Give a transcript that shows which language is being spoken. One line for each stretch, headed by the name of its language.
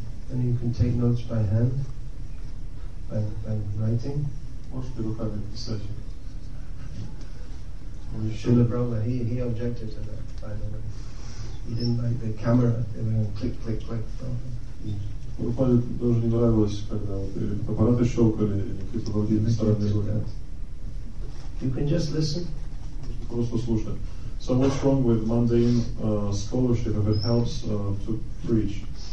English: And you can take notes by hand, by writing.
Russian: Можете руками писать.
English: Srila Prabhupada, he objected to that, by the way. He didn't like the camera, they were going click, click, click.
Russian: Прабхупаде даже не нравилось, когда аппараты щелкали и какие-то другие странные звуки.
English: You can just listen.
Russian: Просто слушать.
English: So what's wrong with mundane scholarship if it helps to preach?